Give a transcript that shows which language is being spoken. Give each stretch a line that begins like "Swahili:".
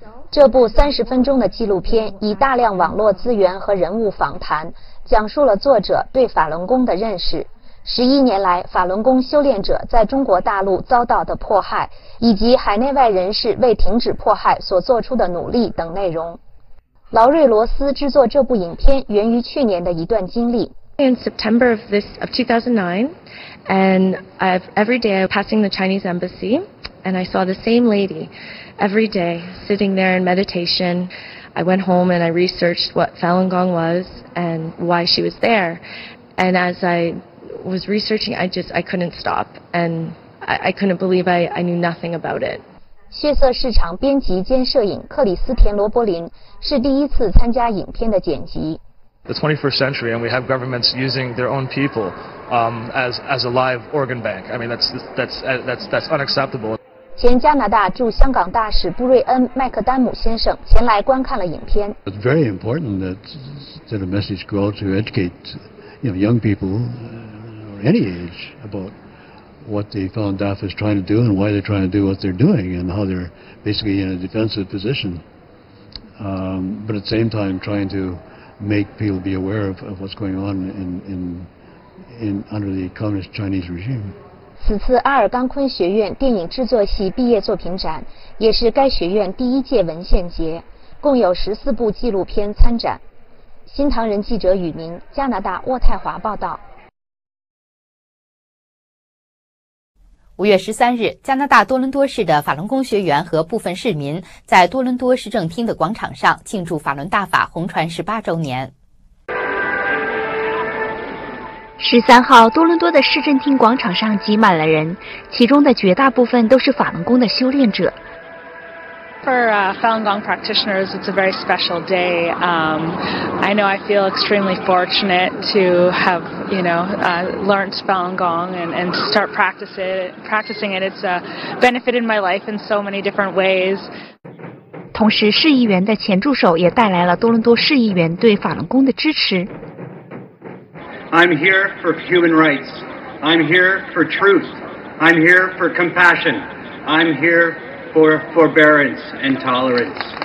Chinese: 这部30分钟的纪录片以大量网络资源和人物访谈讲述了作者对法轮功的认识，11年来法轮功修炼者在中国大陆遭到的迫害，以及海内外人士为停止迫害所做出的努力等内容。劳瑞罗斯制作这部影片源于去年的一段经历。
English: In September of this of 2009, and every day I was passing the Chinese embassy, and I saw the same lady every day sitting there in meditation. I went home and I researched what Falun Gong was and why she was there. And as I was researching, I couldn't stop and. I couldn't believe I knew nothing about it.
Chinese: 血色市场编辑兼摄影克里斯田罗伯林是第一次参加影片的剪辑。
English: The 21st century, and we have governments using their own people as a live organ bank. I mean, that's unacceptable.
Chinese: 前加拿大驻香港大使布瑞恩麦克丹姆先生前来观看了影片。
English: It's very important that a message go out to educate, you know, young people or any age about. What the Falun Dafa is trying to do and why they're trying to do what they're doing and how they're basically in a defensive position. But at the same time trying to make people be aware of what's going on in under the communist Chinese regime.
Chinese: 此次阿尔冈昆学院电影制作系毕业作品展也是该学院第一届文献节，共有14部纪录片参展。新唐人记者雨明，加拿大渥太华报道。 5月13日，加拿大多伦多市的法轮功学员和部分市民在多伦多市政厅的广场上庆祝法轮大法红传18周年。 13号，多伦多的市政厅广场上挤满了人，其中的绝大部分都是法轮功的修炼者。
English: For Falun Gong practitioners, it's a very special day. I know I feel extremely fortunate to have, you know, learned Falun Gong and start practicing it. It's benefited my life in so many different ways.
Chinese: 同时，市议员的前助手也带来了多伦多市议员对法轮功的支持。
English: I'm here for human rights. I'm here for truth. I'm here for compassion. I'm here for forbearance and tolerance.